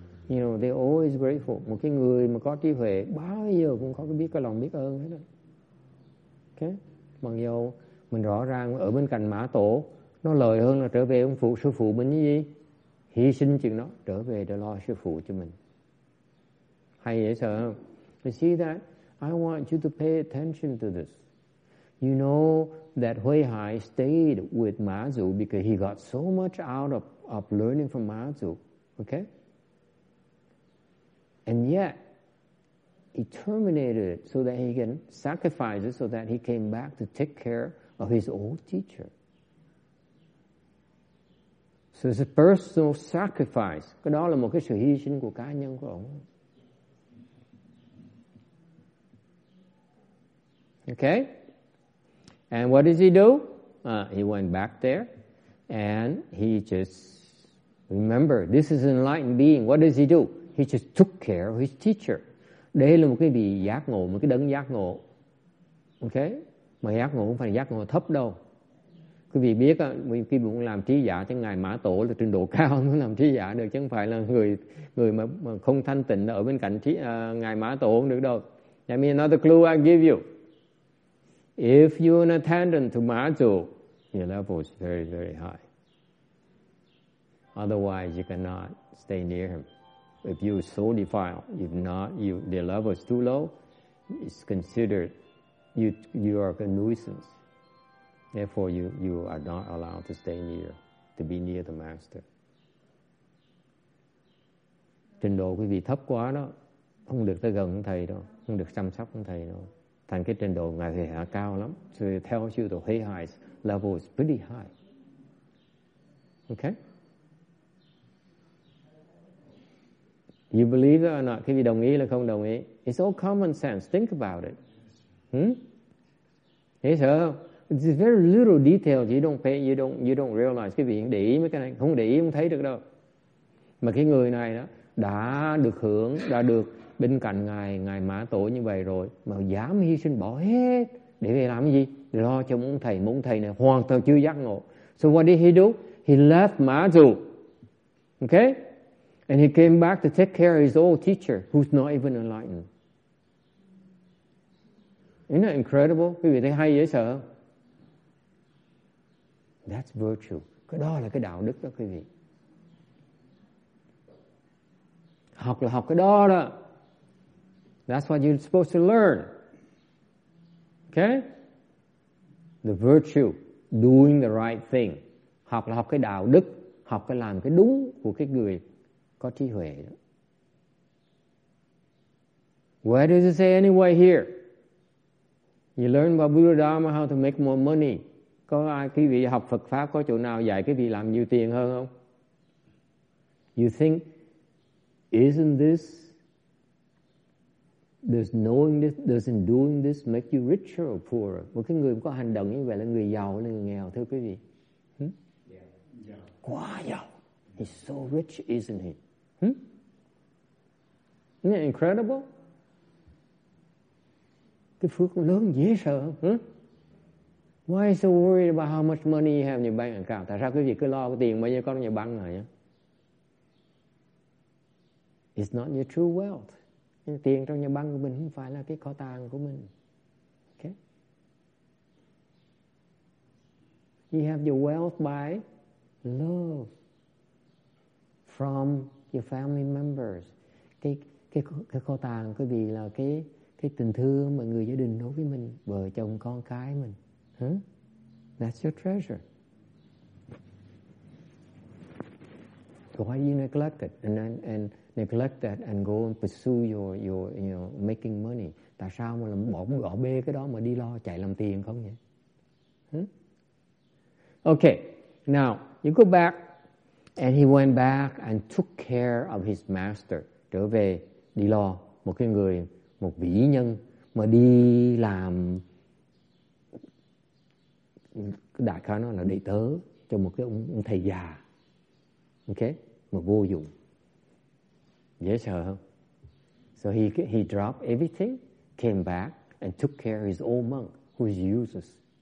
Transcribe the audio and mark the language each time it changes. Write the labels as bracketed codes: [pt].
[en] You know, they always grateful. [vi] Một cái người mà có trí huệ bao giờ cũng có biết cái lòng biết ơn hết đó. Okay? Mặc dù mình rõ ràng ở bên cạnh Mã Tổ, nó lợi hơn là trở về ông phụ sư phụ mình như gì? Hy sinh chuyện đó, trở về để lo sư phụ cho mình. Hay vậy sợ không? [en] You see that? I want you to pay attention to this. You know that Huệ Hải stayed with Mã Chủ because he got so much out of learning from Mã Chủ, okay? And yet, he terminated it so that he can sacrifice it so that he came back to take care of his old teacher. So it's a personal sacrifice. [vi] Cái đó là một cái sự hy sinh của cá nhân của ông. [en] Okay? And what does he do? He went back there and he just, remember, this is an enlightened being. What does he do? He just took care of his teacher. [vi] Đây là một cái vị giác ngộ, một cái đấng giác ngộ. Okay? Mà giác ngộ không phải giác ngộ thấp đâu. Quý vị biết, khi muốn làm trí giả cho ngài Mã Tổ là trình độ cao mới làm trí giả được, chứ không phải là người mà không thanh tịnh ở bên cạnh ngài Mã Tổ không được đâu. [en] I mean, another clue I give you. If you're an attendant to Mã Chủ, your level is very, very high. Otherwise, you cannot stay near him. If you're so defiled, if not, the level is too low, it's considered you are a nuisance. Therefore, you are not allowed to stay near, to be near the master. [vi] Trình độ quý vị thấp quá đó, không được tới gần thầy đâu, không được chăm sóc thầy đâu. Thành cái trình độ ngài thì hạ cao lắm. [en] So it tells you the Huệ Hải's level is pretty high. Okay? You believe it or not? [vi] Quý vị đồng ý là không đồng ý? [en] It's all common sense. Think about it. [vi] Thế sợ không? [en] It's very little detail. You don't realize. [vi] Quý vị để ý mấy cái này. Không để ý không thấy được đâu. Mà cái người này đó, đã được hưởng, đã được bên cạnh ngài Mã Tổ như vậy rồi mà dám hy sinh bỏ hết để về làm cái gì? Để lo cho muốn thầy này hoàn toàn chưa giác ngộ. [en] So what did he do? He left Mã Chủ, okay, and he came back to take care of his old teacher who's not even enlightened. Isn't that incredible? [vi] Quý vị thấy hay dễ sợ. [en] That's virtue. [vi] Cái đó là cái đạo đức đó quý vị. Học là học cái đó đó. [en] That's what you're supposed to learn. Okay? The virtue, doing the right thing. [vi] Học là học cái đạo đức, học cái làm cái đúng của cái người có trí huệ. [en] Where does it say anyway here? You learn about Buddha Dharma, how to make more money. [vi] Có ai, quý vị học Phật Pháp, có chỗ nào dạy quý vị làm nhiều tiền hơn không? [en] You think, isn't this, does knowing this, doesn't doing this make you richer or poorer? [vi] Một cái người có hành động như vậy là người giàu, là người nghèo, thưa quý vị. Quá giàu. [en] He's so rich, isn't he? Isn't that incredible? [vi] Cái phước lớn dễ sợ. [en] Why are you so worried about how much money you have in your bank account? [vi] Tại sao quý vị cứ lo cái tiền bao nhiêu có trong nhà băng rồi? [en] It's not your true wealth. [vi] Tiền trong nhà băng của mình không phải là cái kho tàng của mình. Okay? [en] You have your wealth by love from your family members. [vi] Cái kho tàng quý vị là cái tình thương mà người gia đình đối với mình, vợ chồng con cái mình. [en] Huh? That's your treasure. Why do you neglect it and neglect that and go and pursue your you know, making money? [vi] Tại sao mà bỏ bê cái đó mà đi lo chạy làm tiền không nhỉ? [en] Okay, now you go back, and he went back and took care of his master. [vi] Trở về đi lo một cái người, một vĩ nhân mà đi làm đại khái nó là đệ tớ cho một cái ông thầy già. Okay, mà vô dụng. Dễ sợ không? [en] So he dropped everything, came back and took care of his old monk who is useless.